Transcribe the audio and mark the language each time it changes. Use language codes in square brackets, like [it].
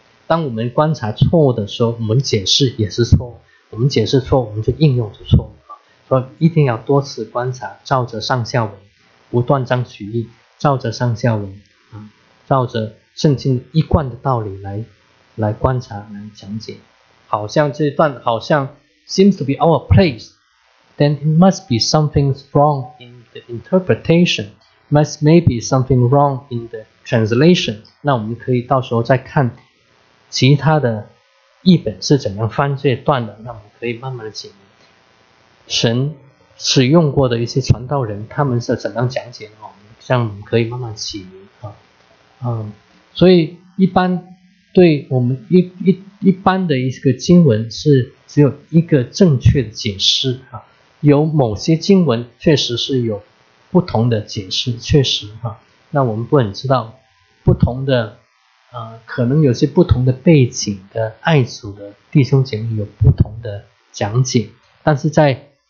[zh] 当我们观察错误的时候，我们解释也是错误；我们解释错误，我们就应用就错误。说一定要多次观察，照着上下文不断章取义，照着上下文啊，照着圣经一贯的道理来观察，来讲解。好像这段好像 [en] seems to be out of place, then it must be something wrong in the interpretation, must maybe something wrong in the translation. [zh] 那我们可以到时候再看其他的译本是怎样翻这段的，那我们可以慢慢的解明神使用过的一些传道人他们是怎样讲解的，这样我们可以慢慢解明啊。嗯，所以一般对我们一般的一个经文是只有一个正确的解释啊，有某些经文确实是有不同的解释，确实啊，那我们不能知道不同的可能有些不同的背景的爱主的弟兄姐妹有不同的讲解，但是在